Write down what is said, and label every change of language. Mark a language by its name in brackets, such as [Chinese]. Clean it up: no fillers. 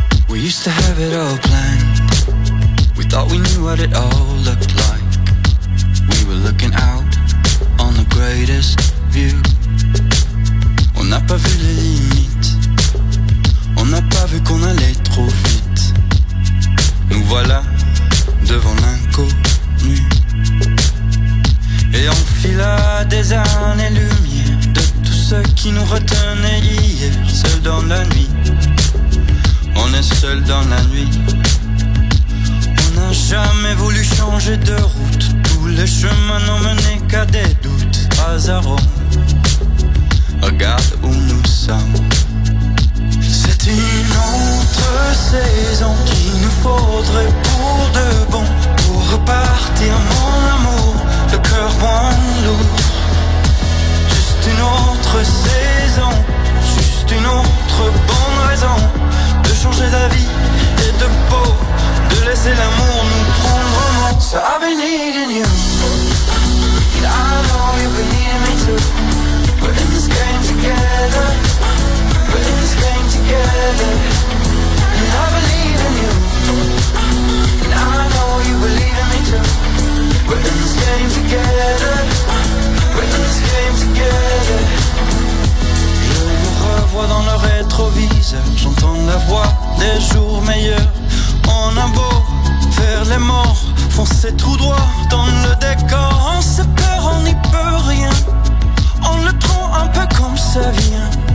[English] We used to have it all planned. We thought we knew what it all looked like. We were looking out on the greatest view. [French] On n'a pas vu les limites. On n'a pas vu qu'on allait trop vite. Nous voilà devant l'inconnu. Et on fila des années-lumière de tout ce qui nous retenait hier. Seul dans la nuit, on est seul dans la nuit. On n'a jamais voulu changer de route. Tous les chemins n'ont mené qu'à des doutes. Hasardons, regarde où nous sommes. C'est une autre saison qu'il nous faudrait pour de bon. Pour repartir mon amour, le cœur moins lourd. Juste une autre saison, juste une autre bonne raison de changer d'avis et de peau, de laisser l'amour nous prendre en main. [English] So I've been needing you, and I know you've been needing me too. We're in this game together, we're in this game together. And I believe in you, and I know you believe in me too. We're in this game together, we're in this game together. [French] Vois dans le rétroviseur, j'entends la voix des jours meilleurs. On a beau faire les morts, foncer tout droit dans le décor. On se perd, on n'y peut rien. On le prend un peu comme ça vient.